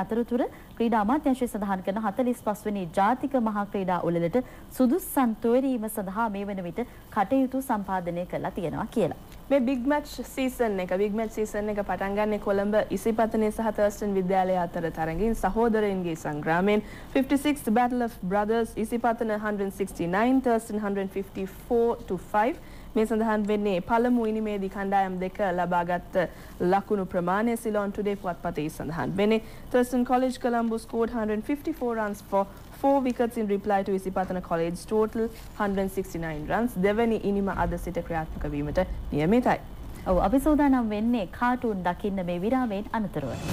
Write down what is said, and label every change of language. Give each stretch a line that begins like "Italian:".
Sinhala: අතරතුර ක්‍රීඩා අමාත්‍යාංශය සඳහන් කරන 45 වෙනි ජාතික මහා ක්‍රීඩා උළෙලට සුදුස්සන් තෝරීම සඳහා මේ වන විට කටයුතු සම්පාදනය කරලා තියෙනවා කියලා. මේ බිග් මැච් සීසන් එක පටන් ගන්නේ කොළඹ ඉසිපතනේ සහ තර්ස්ටන් විද්‍යාලය අතර තරඟින් සහෝදරයන්ගේ සංග්‍රාමයෙන්.
English: 56th Battle of Brothers Isipathana 169, Thurston 154-5.
Sinhala: මේ සඳහන් වෙන්නේ පළමු ඉනිමේදී කණ්ඩායම් දෙක ලබාගත් ලකුණු ප්‍රමාණය. සිලෝන් ටුඩේ පුවත්පතේ සඳහන් වෙන්නේ
English: Thurston college Colombo scored 154 runs for 4 wickets in reply to Isipathana College total 169 runs.
Sinhala: දෙවැනි ඉනිම අද සිට ක්‍රියාත්මක වීමට නියමිතයි. ඔව්, අපි සූදානම් වෙන්නේ කාටුන් දකින්න මේ විරාමයෙන් අනතුරුව.